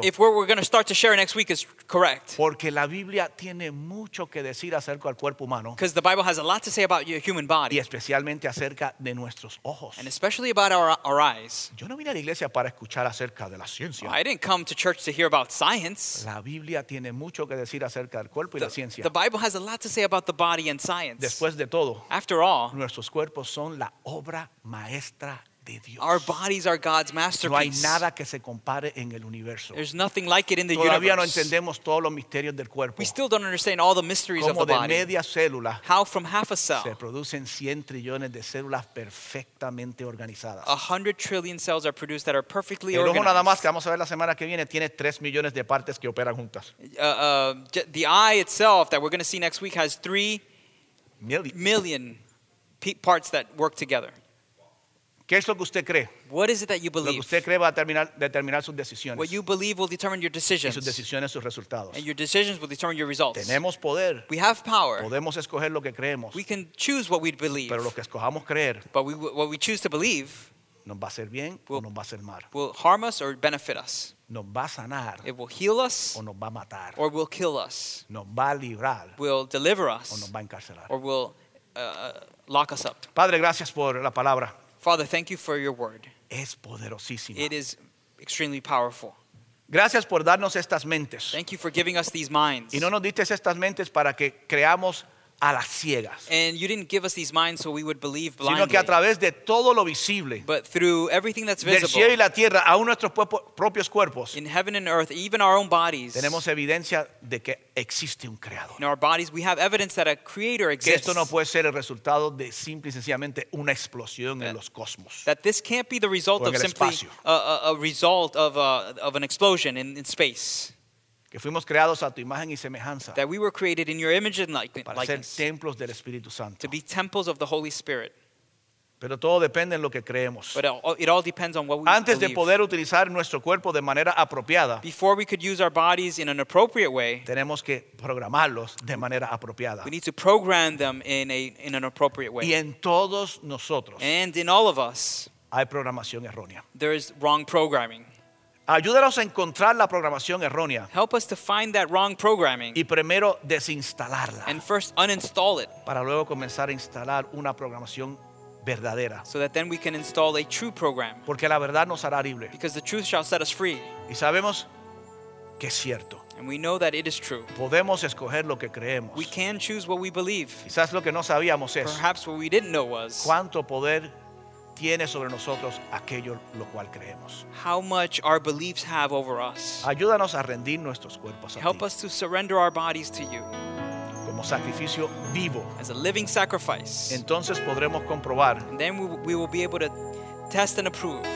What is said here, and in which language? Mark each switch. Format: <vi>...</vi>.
<en>If what we're going to start to share next week is correct.</en> <es>Porque la Biblia tiene mucho que decir acerca del cuerpo humano.</es> <en>Because the Bible has a lot to say about your human body.</en> <es>Y especialmente acerca de nuestros ojos.</es> <en>And especially about our eyes.</en> <es>Yo no vine a la iglesia para escuchar acerca de la ciencia.</es> <en>I didn't come to church to hear about science.</en> <es>La Biblia tiene mucho que decir acerca del cuerpo y la ciencia.</es> <en>The Bible has a lot to say about the body and science.</en> <es>Después de todo,</es> <en>after all,</en> <es>nuestros cuerpos son la obra maestra de Dios.</es> <en>Our bodies are God's masterpiece.</en> <es>No hay nada que se compare en el universo.</es> <en>There's nothing like it in the</en> <es>todavía</es> <en>universe.</en> <es>No entendemos todos los misterios del cuerpo.</es> <en>We still don't understand all the mysteries</en> <es>como</es> <en>of the</en> <es>de</es> <en>body.</en> <es>Media célula,</es> <en>how from half a cell</en> <es>se producen 100 trillones de células perfectamente organizadas.</es> <en>100 trillion cells are produced that are perfectly</en> <es>el ojo</es> <en>organized.</en> <es>Nada más que vamos a ver la semana que viene tiene 3 millones de partes que operan juntas.</es> <en>The eye itself that we're going to see next week has 3 million parts that work together.</en> <es>¿Qué es lo que usted cree?</es> <en>What is it that you believe?</en> <es>Lo que usted cree va a determinar sus decisiones.</es> <en>What you believe will determine your decisions.</en> <es>Y sus decisiones, sus resultados.</es> <en>And your decisions will determine your results.</en> <es>Tenemos poder.</es> <en>We have power.</en> <es>Podemos escoger lo que creemos.</es> <en>We can choose what we believe.</en> <es>Pero lo que escojamos creer,</es> <en>but what we choose to believe,</en> <es>nos va a hacer bien o nos va a hacer mal.</es> <en>Will harm us or benefit us.</en> <es>Nos va a sanar.</es> <en>It will heal us.</en> <es>O nos va a matar.</es> <en>Or will kill us.</en> <es>Nos va a librar.</es> <en>Will deliver us.</en> <es>O nos va a encarcelar.</es> <en>Or will lock us up.</en> <es>Padre, gracias por la palabra.</es> <en>Father, thank you for your word.</en> <es>Es poderosísima.</es> <en>It is extremely powerful.</en> <es>Gracias por darnos estas mentes.</es> <en>Thank you for giving us these minds.</en> <es>Y no nos diste estas mentes para que creamos a las ciegas.</es> <en>And you didn't give us these minds so we would believe blindly.</en> <es>Sino que a través de todo lo visible.</es> <en>But through everything that's visible.</en> <es>Del cielo y la tierra, aun nuestros propios cuerpos.</es> <en>In heaven and earth, even our own bodies.</en> <es>Tenemos evidencia de que existe un creador.</es> <en>In our bodies, we have evidence that a creator exists.</en> <es>Que esto no puede ser el resultado de simple y sencillamente una explosión en los cosmos.</es> <en>That this can't be the result of simply a result of an explosion in space.</en> <es>Que fuimos creados a tu imagen y semejanza.</es> <en>That we were created in your image and likeness.</en> <es>Para ser templos del Espíritu Santo.</es> <en>To be temples of the Holy Spirit.</en> <es>Pero todo depende en lo que creemos.</es> <en>But it all depends on what we believe.</en> <es>Antes de poder utilizar nuestro cuerpo de manera apropiada.</es> <en>Before we could use our bodies in an appropriate way.</en> <es>Tenemos que programarlos de manera apropiada.</es> <en>We need to program them in an appropriate way.</en> <es>Y en todos nosotros.</es> <en>And in all of us.</en> <es>Hay programación errónea.</es> <en>There is wrong programming.</en> <es>Ayúdanos a encontrar la programación errónea.</es> <en>Help us to find that wrong programming.</en> <es>Y primero desinstalarla.</es> <en>And first uninstall it.</en> <es>Para luego comenzar a instalar una programación verdadera.</es> <en>So that then we can install a true program.</en> <es>Porque la verdad nos hará libre.</es> <en>Because the truth shall set us free.</en> <es>Y sabemos que es cierto.</es> <en>And we know that it is true.</en> <es>Podemos escoger lo que creemos.</es> <en>We can choose what we believe.</en> <es>Quizás lo que no sabíamos es.</es> <en>Perhaps what we didn't know was.</en> <es>Cuánto poder tiene sobre nosotros aquello lo cual creemos.</es> <en>How much our beliefs have over us.</en> <es>Ayúdanos a rendir nuestros cuerpos a ti.</es> <en>Help us to surrender our bodies to you.</en> <es>Como sacrificio vivo.</es> <en>As a living sacrifice.</en> <es>Entonces podremos comprobar.</es> <en>And then we will be able to test and approve.</en>